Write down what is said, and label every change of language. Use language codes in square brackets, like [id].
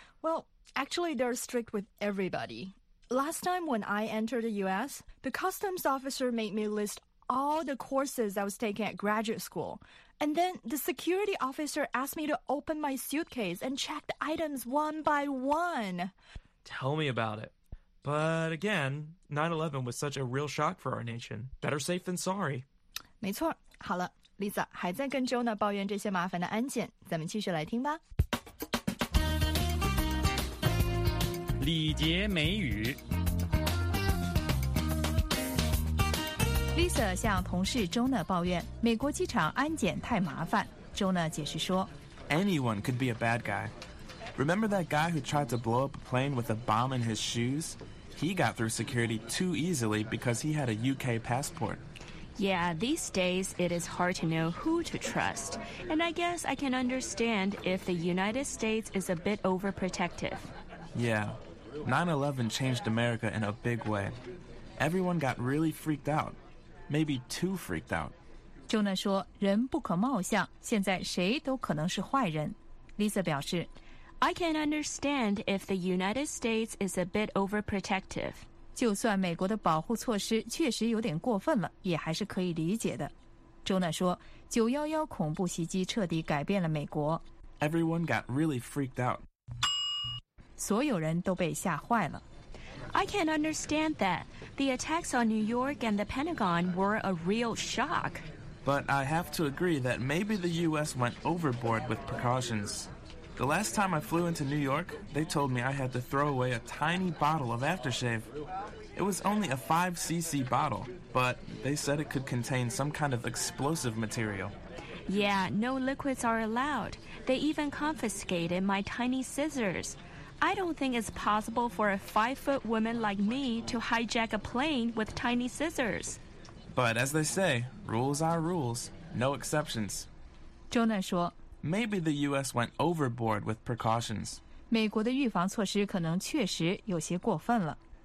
[en] Well, actually, they're strict with everybody. Last time when I entered the U.S., the customs officer made me list all the courses I was taking at graduate school. And then the security officer asked me to open my suitcase and check the items one by one. Tell me about it. But again, 9/11 was such a real shock for our nation. Better safe than sorry. [zh] 没错。好了， Lisa 还在跟 Jonah 抱怨这些麻烦的安检，咱们继续来听吧。礼节美语。 Lisa 向同事 Jonah 抱怨美国机场安检太麻烦。 Jonah 解释说， [en] Anyone could be a bad guy. Remember that guy who tried to blow up a plane with a bomb in his shoes? He got through security too easily because he had a UK passport. Yeah, these days it is hard to know who to trust. And I guess I can understand if the United States is a bit overprotective. Yeah, 9/11 changed America in a big way. Everyone got really freaked out. Maybe too freaked out. [zh] Jonah 说，人不可貌相，现在谁都可能是坏人。 Lisa 表示， [en] I can understand if the United States is a bit overprotective. [zh] 就算美国的保护措施确实有点过分了，也还是可以理解的。 Jonah 说，911恐怖袭击彻底改变了美国。 [en] Everyone got really freaked out. [zh] 所有人都被吓坏了。 [en] I can understand that. The attacks on New York and the Pentagon were a real shock. But I have to agree that maybe the U.S. went overboard with precautions. The last time I flew into New York, they told me I had to throw away a tiny bottle of aftershave. It was only a 5cc bottle, but they said it could contain some kind of explosive material. Yeah, no liquids are allowed. They even confiscated my tiny scissors. I don't think it's possible for a 5-foot woman like me to hijack a plane with tiny scissors. But as they say, rules are rules, no exceptions. [zh] Jonah 说， [en] Maybe the U.S. went overboard with precautions. [zh] 美国的预防措施可能确实有些过分了。